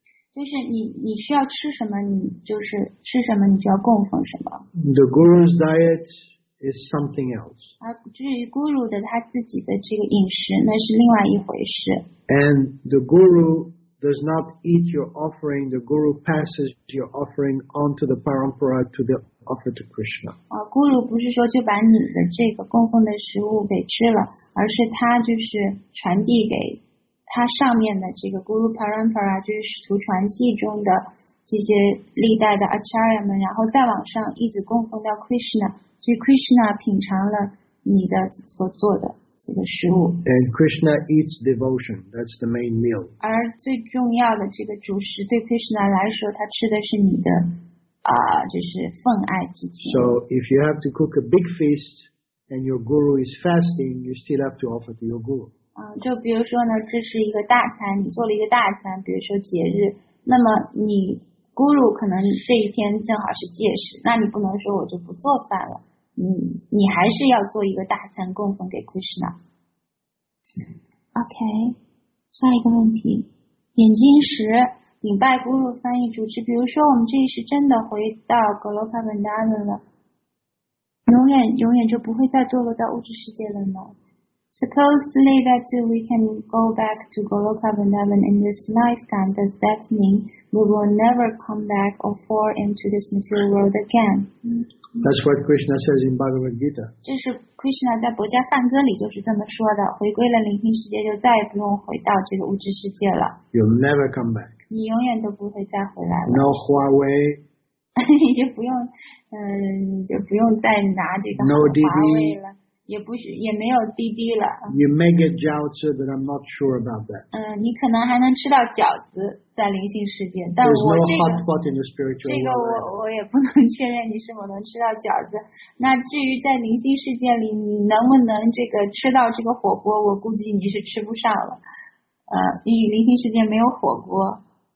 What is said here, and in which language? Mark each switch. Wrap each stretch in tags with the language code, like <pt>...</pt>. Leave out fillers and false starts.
<zh>就是你需要吃什么，你就是吃什么，你就要供奉什么。</zh> <en>The guru's diet is something else.</en> <zh>而至于 guru 的他自己的这个饮食，那是另外一回事。</zh> <en>And the guru does not eat your offering. The guru passes your offering on to the parampara to the offer to Krishna.</en> <zh>啊，咕噜不是说就把你的这个供奉的食物给吃了，而是他就是传递给他上面的这个 guru parampara， 就是使徒传记中的这些历代的 acharya 们，然后再往上一直供奉到 Krishna， 所以 Krishna 品尝了你的所做的。这个食物。</zh> <en>And Krishna eats devotion. That's the main meal.</en> <zh>而最重要的这个主食对 Krishna 来说，他吃的是你的啊，就是奉爱之情。</zh> <en>So if you have to cook a big feast and your guru is fasting, you still have to offer to your guru.</en> <zh>啊，就比如说呢，这是一个大餐，你做了一个大餐，比如说节日，那么你 guru 可能这一天正好是戒食，那你不能说我就不做饭了。你还是要做一个大餐供奉给 Krishna。 OK， 下一个问题，点金石顶拜咕噜翻译主持。比如说，我们这一时真的回到格罗卡文达伦了，永远永远就不会再堕落到物质世界了吗 ？</zh> <en>Supposedly that we can go back to Goloka Vrindavan in this lifetime, does that mean we will never come back or fall into this material world again? That's what Krishna says in Bhagavad Gita.</en> <zh>这是 Krishna 在博迦梵歌里就是这么说的，回归了聆听世界就再也不用回到这个物质世界了。</zh> <en>You'll never come back.</en> <zh>你永远都不会再回来了。</zh> <en>No Huawei.</en> <zh>你就不用，就不用再拿这个</zh> <en>No DD</en> <zh>了，也不是也没有 DD 了。</zh> <en>You may get 饺子 but I'm not sure about that.</en> <zh>你可能还能吃到饺子。在灵性世界，但我这个我也不能确认你是否能吃到饺子。那至于在灵性世界里，你能不能这个吃到这个火锅，我估计你是吃不上了。你灵性世界没有火锅。</zh>